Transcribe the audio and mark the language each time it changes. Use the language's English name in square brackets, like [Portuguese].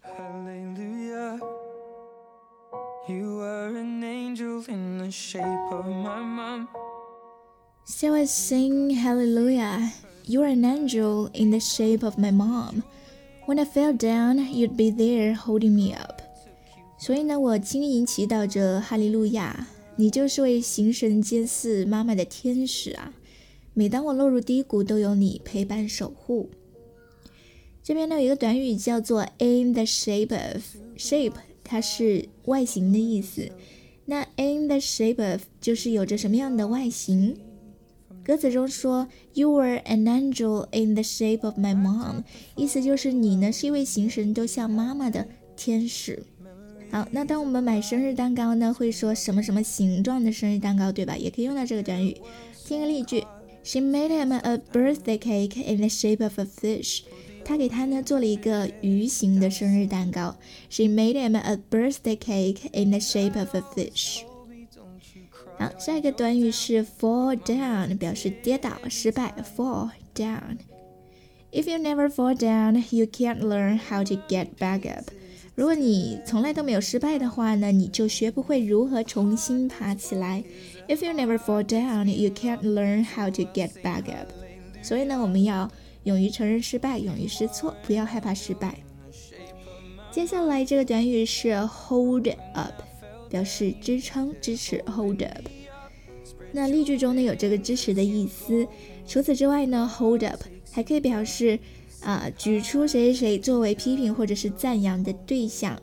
[English] Hallelujah， You are an angel in the shape of my momSo I sing hallelujah, you're an angel in the shape of my mom. When I fell down, you'd be there holding me up. [Chinese] 所以呢，我轻盈祈祷着哈利路亚，你就是位形神兼似妈妈的天使啊。每当我落入低谷，都有你陪伴守护。这边呢有一个短语叫做 in the shape of, shape 它是外形的意思。那 in the shape of 就是有着什么样的外形。歌词中说 [English] You were an angel in the shape of my mom， [Chinese] 意思就是你呢是一位形神都像妈妈的天使。好，那当我们买生日蛋糕呢，会说什么什么形状的生日蛋糕，对吧？也可以用到这个短语。 [English] 听个例句， She made him a birthday cake in the shape of a fish， [Chinese] 她给他呢做了一个鱼形的生日蛋糕。 [English] She made him a birthday cake in the shape of a fish。 [Chinese] 好，下一个短语是 fall down， 表示跌倒、失败。 [English] fall down。 If you never fall down, you can't learn how to get back up。 [Chinese] 如果你从来都没有失败的话呢，你就学不会如何重新爬起来。 [English] If you never fall down, you can't learn how to get back up。 [Chinese] 所以呢，我们要勇于承认失败，勇于试错，不要害怕失败。接下来这个短语是 hold up。表示支撑、支持 hold up。那例句中呢有这个支持的意思。除此之外呢 hold up 还可以表示举出谁谁谁作为批评或者是赞扬的对象。